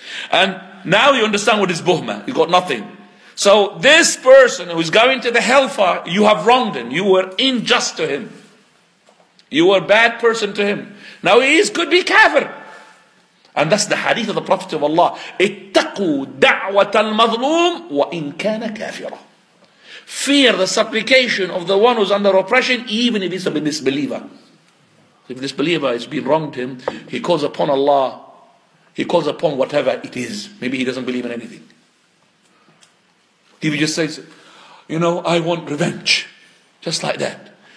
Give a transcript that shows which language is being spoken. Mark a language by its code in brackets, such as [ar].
[en] And now you understand what is buhma, you got nothing. So this person who is going to the hellfire, you have wronged him, you were unjust to him, you were a bad person to him. Now he is, could be kafir. And that's the hadith of the Prophet of Allah. [ar] اتقوا دعوة المظلوم وإن كان كافرا. [en] Fear the supplication of the one who's under oppression, even if he's a disbeliever. If this believer has been wronged him, he calls upon Allah, he calls upon whatever it is. Maybe he doesn't believe in anything. He just says, you know, I want revenge. Just like that.